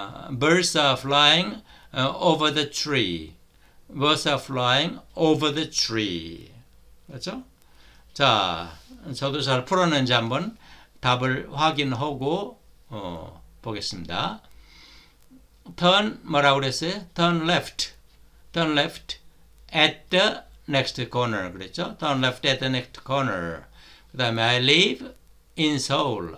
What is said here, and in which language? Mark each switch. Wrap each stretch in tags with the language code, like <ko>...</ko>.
<en>Birds are flying over the tree. Birds are flying over the tree.</en> <ko>그렇죠? 자, 저도 잘 풀었는지 한번 답을 확인하고, 보겠습니다. Turn, 뭐라고 그랬어요?</ko> <en>Turn left at the next corner.</en> <ko>그랬죠?</ko> <en>Turn left at the next corner.</en> <ko>그 다음에,</ko> <en>I live in Seoul.</en>